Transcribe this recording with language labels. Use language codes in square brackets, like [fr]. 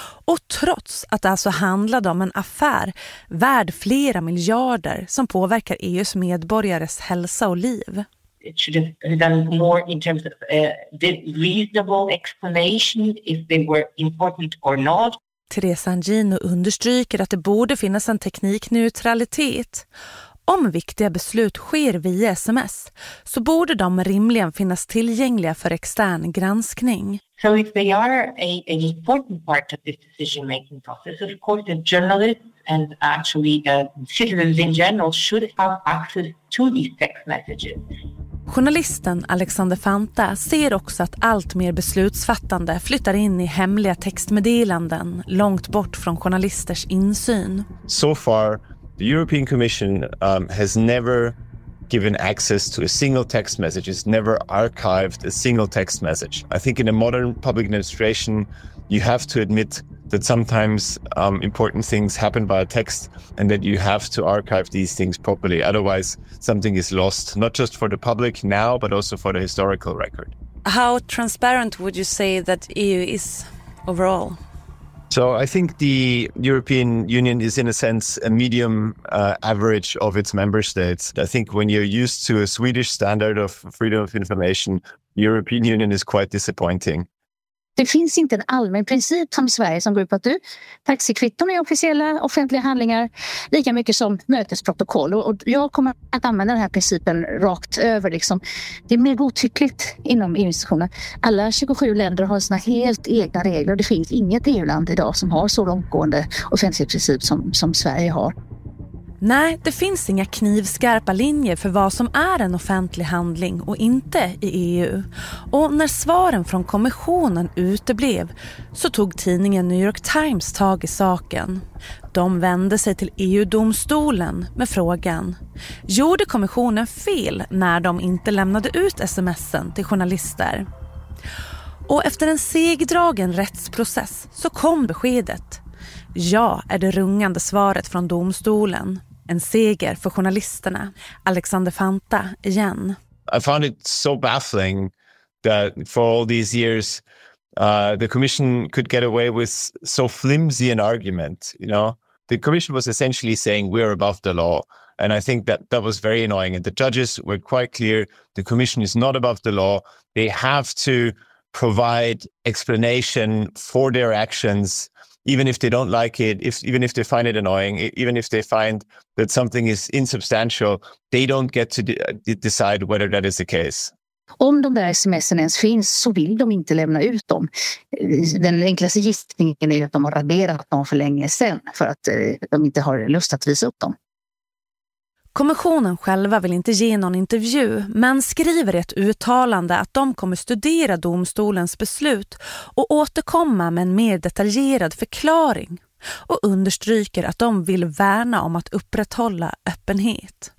[sv] Och trots att det alltså handlade om en affär värd flera miljarder som påverkar EUs medborgares hälsa och liv. [en] It should have done more in terms of the reasonable explanation if they were important or not. [sv] Teresa Angino understryker att det borde finnas en teknikneutralitet. Om viktiga beslut sker via sms så borde de rimligen finnas tillgängliga för extern granskning. [en] So if they are an important part of the decision making process, of course the journalists and actually the citizens in general should have access to these text messages. [sv] Journalisten Alexander Fanta ser också att allt mer beslutsfattande flyttar in i hemliga textmeddelanden långt bort från journalisters insyn. [en] So far, the European Commission has never given access to a single text message. It's never archived a single text message. I think in a modern public administration, you have to admit that sometimes important things happen via text and that you have to archive these things properly. Otherwise, something is lost, not just for the public now, but also for the historical record. How transparent would you say that EU is overall? So I think the European Union is, in a sense, a medium average of its member states. I think when you're used to a Swedish standard of freedom of information, the European Union is quite disappointing. [sv] Det finns inte en allmän princip som Sverige som går ut på att du, taxikvitton är officiella offentliga handlingar, lika mycket som mötesprotokoll. Och jag kommer att använda den här principen rakt över. Liksom. Det är mer godtyckligt inom EU-institutionen. Alla 27 länder har sina helt egna regler. Det finns inget EU-land idag som har så långtgående offentlighetsprincip som Sverige har. Nej, det finns inga knivskarpa linjer för vad som är en offentlig handling och inte i EU. Och när svaren från kommissionen uteblev så tog tidningen New York Times tag i saken. De vände sig till EU-domstolen med frågan. Gjorde kommissionen fel när de inte lämnade ut sms:en till journalister? Och efter en segdragen rättsprocess så kom beskedet. Ja, är det rungande svaret från domstolen. En seger för journalisterna. Alexander Fanta igen. [en] I found it so baffling that for all these years the commission could get away with so flimsy an argument, you know. The commission was essentially saying we're above the law, and I think that was very annoying, and the judges were quite clear, the commission is not above the law. They have to provide explanation for their actions. Even if they don't like it, even if they find it annoying, even if they find that something is insubstantial, they don't get to decide whether that is the case. [sv] Om de där sms:en ens finns så vill de inte lämna ut dem. Den enklaste gissningen är att de har raderat dem för länge sedan för att de inte har lust att visa upp dem. Kommissionen själva vill inte ge någon intervju men skriver ett uttalande att de kommer studera domstolens beslut och återkomma med en mer detaljerad förklaring och understryker att de vill värna om att upprätthålla öppenhet.